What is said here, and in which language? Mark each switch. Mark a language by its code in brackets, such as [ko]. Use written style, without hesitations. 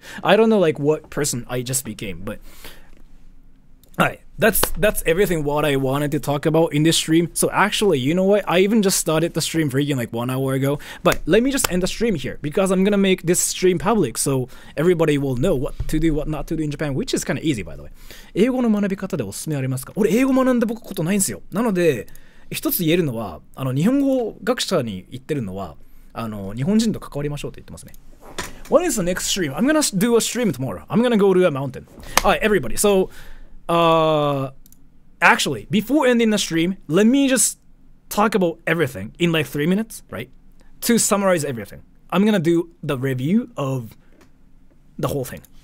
[en] I don't know like what person I just became, but... Alright, that's everything what I wanted to talk about in this stream. So actually, you know what? I even just started the stream freaking like 1 hour ago. But let me just end the stream here because I'm gonna make this stream public so everybody will know what to do, what not to do in Japan, which is kind of easy, by the way. [ja] 英語の学び方でおすすめありますか？俺英語学んだことないんですよ。なので一つ言えるのは、あの日本語学者に言ってるのは、あの日本人と関わりましょうと言ってますね。 [en] What is the next stream? I'm gonna do a stream tomorrow. I'm gonna go to a mountain. Alright, everybody. So... actually, before ending the stream, let me just talk about everything in like 3 minutes, right? To summarize everything, I'm gonna do the review of the whole thing.